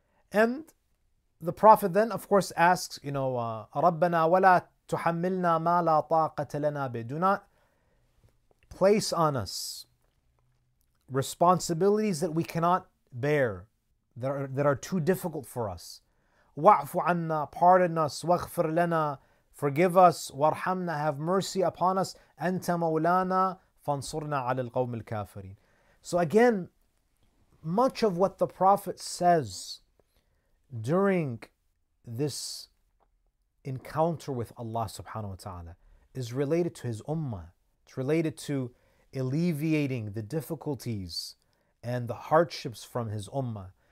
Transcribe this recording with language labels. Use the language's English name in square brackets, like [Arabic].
[English] And the Prophet then, of course, asks, you know, [Arabic] ربنا ولا تحملنا ما لا طاقة لنا به. [English] Do not place on us responsibilities that we cannot bear, that are too difficult for us. [Arabic] وَعْفُ عَنَّا, [English] pardon us, [Arabic] وَغْفِرْ لَنَا, [English] forgive us, [Arabic] وَارْحَمْنَا, [English] have mercy upon us, [Arabic] أَنْتَ مَوْلَانَا فَانْصُرْنَا عَلَى الْقَوْمِ الْكَافِرِينَ. [English] So again, much of what the Prophet says during this encounter with Allah subhanahu wa ta'ala is related to his ummah. It's related to alleviating the difficulties and the hardships from his ummah.